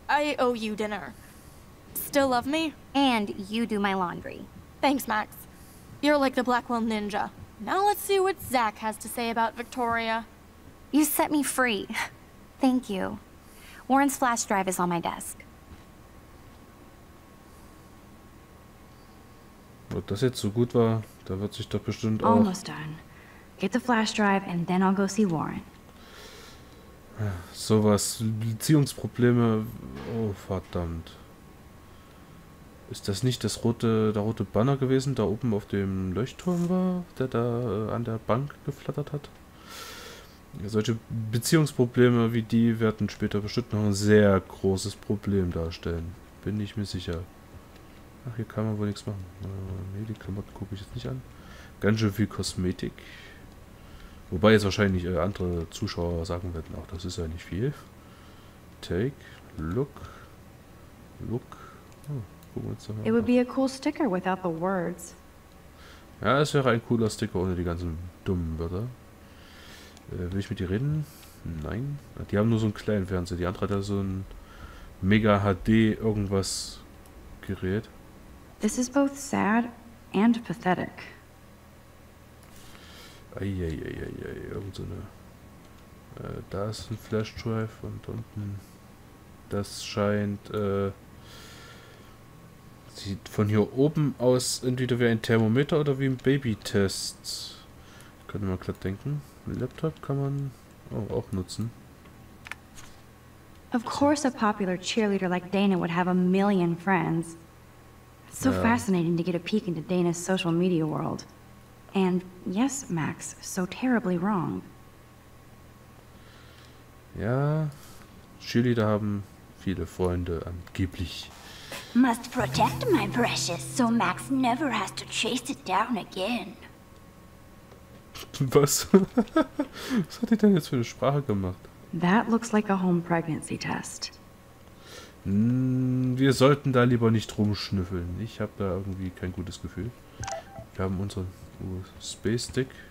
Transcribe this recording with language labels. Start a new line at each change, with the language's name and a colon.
English: I owe you dinner. Still love me? And you do my laundry. Thanks, Max. You're like the Blackwell Ninja. Now let's see what Zach has to say about Victoria. You set me free. Thank you. Warren's flash drive is on my desk.
German: Ob das jetzt so gut war, da wird sich doch bestimmt auch...
English: Almost done. Get the flash drive and then I'll go see Warren.
German: Sowas. Beziehungsprobleme. Oh, verdammt. Ist das nicht das rote, der rote Banner gewesen, da oben auf dem Leuchtturm war, der da an der Bank geflattert hat? Solche Beziehungsprobleme wie die werden später bestimmt noch ein sehr großes Problem darstellen. Bin ich mir sicher. Ach, hier kann man wohl nichts machen. Nee, die Klamotten gucke ich jetzt nicht an. Ganz schön viel Kosmetik. Wobei jetzt wahrscheinlich andere Zuschauer sagen werden, ach, das ist ja nicht viel. Take, look, look. Gucken wir uns doch mal.
English: It would be a cool sticker without the words.
German: Ja, es wäre ein cooler Sticker ohne die ganzen dummen Wörter. Will ich mit dir reden? Nein. Die haben nur so einen kleinen Fernseher. Die andere hat da so ein Mega-HD irgendwas Gerät.
English: This is both sad and pathetic.
German: Eieieiei, irgend so eine. Da ist ein Flash Drive und unten. Das scheint. Sieht von hier oben aus entweder wie ein Thermometer oder wie ein Babytest. Könnte man glatt denken. Ein Laptop kann man auch nutzen.
English: Of course, a popular cheerleader like Dana would have a million friends.
German: So ja.
English: Fascinating to get a peek into Dana's social media world. And yes, Max, so terribly wrong.
German: Ja, Cheerleader haben viele Freunde, angeblich.
English: Must protect my precious, so Max never has to chase it down again.
German: Was? Was hat die denn jetzt für eine Sprache gemacht?
English: That looks like a home pregnancy test.
German: Wir sollten da lieber nicht rumschnüffeln. Ich habe da irgendwie kein gutes Gefühl. Wir haben unseren Space Stick.